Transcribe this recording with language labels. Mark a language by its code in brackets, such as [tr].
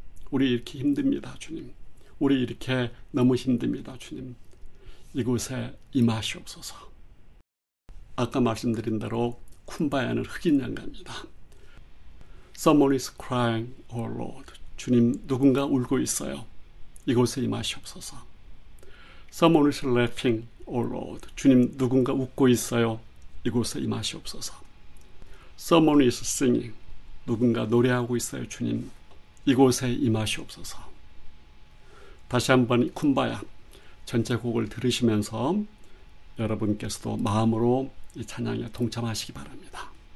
[ko] 우리 이렇게 힘듭니다, 주님. 우리 이렇게 너무 힘듭니다, 주님. 이곳에 임하시옵소서. 아까 말씀드린 대로 쿰바야는 흑인 연가입니다. [en] Someone is crying, O Lord. [ko] 주님, 누군가 울고 있어요. 이곳에 임하시옵소서. [en] Someone is laughing, O Lord. [ko] 주님, 누군가 웃고 있어요. 이곳에 임하시옵소서. [en] Someone is singing. [ko] 누군가 노래하고 있어요. 주님, 이곳에 임하시옵소서. 다시 한번 쿰바야 전체 곡을 들으시면서 여러분께서도 마음으로 이 찬양에 동참하시기 바랍니다.